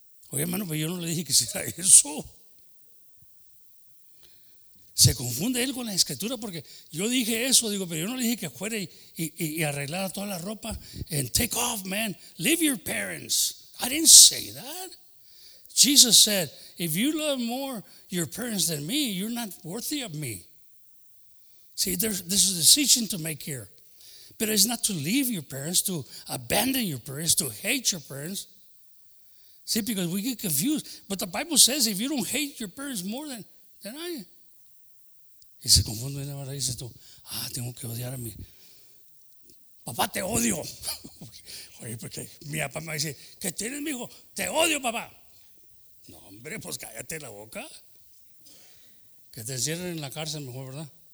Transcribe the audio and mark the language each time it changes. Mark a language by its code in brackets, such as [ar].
[es] Oye, hermano, pues yo no le dije que sea eso. Se confunde él con la Escritura, porque yo dije eso, digo, pero yo no le dije que fuera y arreglara toda la ropa. [en] And take off, man. Leave your parents. I didn't say that. Jesus said, if you love more your parents than me, you're not worthy of me. See, this is a decision to make here. But it's not to leave your parents, to abandon your parents, to hate your parents. See, because we get confused. But the Bible says if you don't hate your parents more than I. [es] Y se confunde y ahora dices tú, ah, tengo que odiar a mi papá, te odio. Oye, porque mi papá me dice, ¿qué tienes, mijo? Te odio, papá. No, hombre, pues cállate la boca. Que te encierren en la cárcel mejor, ¿verdad?